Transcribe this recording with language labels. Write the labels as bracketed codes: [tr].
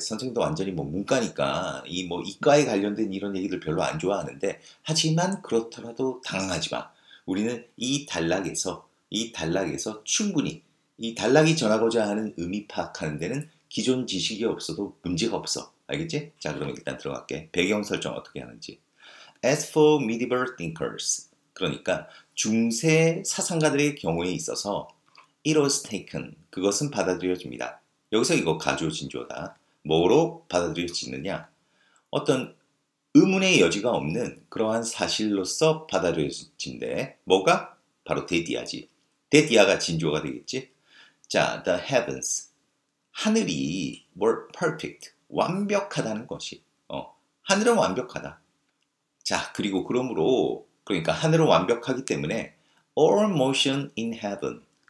[ko] 선생님도 완전히 뭐 문과니까 이 뭐 이과에 관련된 이런 얘기들 별로 안 좋아하는데 하지만 그렇더라도 당황하지 마. 우리는 이 단락에서 충분히 이 단락이 전하고자 하는 의미 파악하는 데는 기존 지식이 없어도 문제가 없어. 알겠지? 자, 그러면 일단 들어갈게. 배경 설정 어떻게 하는지. [en] As for medieval thinkers. [ko] 그러니까 중세 사상가들의 경우에 있어서 [en] it was taken. [ko] 그것은 받아들여집니다. 여기서 이거 가주어 진주어다. 뭐로 받아들여지느냐? 어떤 의문의 여지가 없는 그러한 사실로서 받아들여진데 뭐가? 바로 데디아지. 데디아가 진주어가 되겠지? [en] 자, the heavens. [ko] 하늘이 [en] were perfect. [ko] 완벽하다는 것이. 하늘은 완벽하다. 자, 그리고 그러므로 그러니까 하늘은 완벽하기 때문에 [en] all motion in heaven.